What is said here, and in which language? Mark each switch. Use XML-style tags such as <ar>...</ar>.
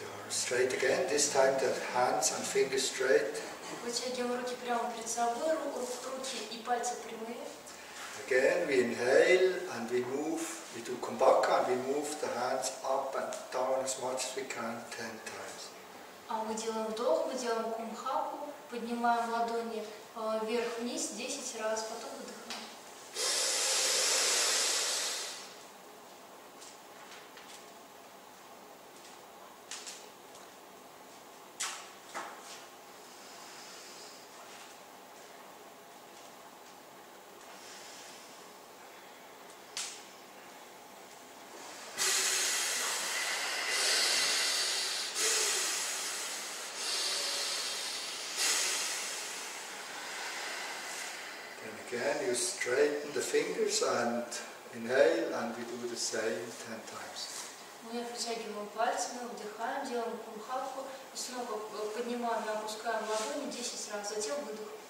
<en>Straight again, this time the hands and fingers straight.</en> <ru>Вытягиваем руки прямо перед собой, руки и пальцы прямые.</ru> <en>Again we inhale and we move, we do kumbhaka and we move the hands up and down as much as we can 10 times.</en> <ru>А мы делаем вдох, мы делаем кумбхаку, поднимаем ладони вверх-вниз 10 раз, потом выдыхаем.</ru> <en>Again, you straighten the fingers and inhale, and we do the same 10 times.</en> <ru>Мы вытягиваем пальцы, мы вдыхаем, делаем кумбхаку, и снова поднимаем и опускаем ладони 10 раз, затем выдох.</ru>